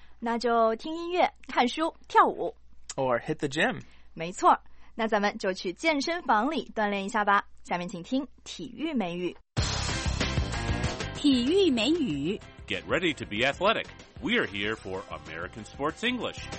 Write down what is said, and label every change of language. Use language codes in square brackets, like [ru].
[zh] 那就听音乐、看书、跳舞。 [en] Or hit the gym. [zh] 没错，那咱们就去健身房里锻炼一下吧。下面请听体育美语。体育美语。 [en] Get ready to be athletic. We are here for American Sports English.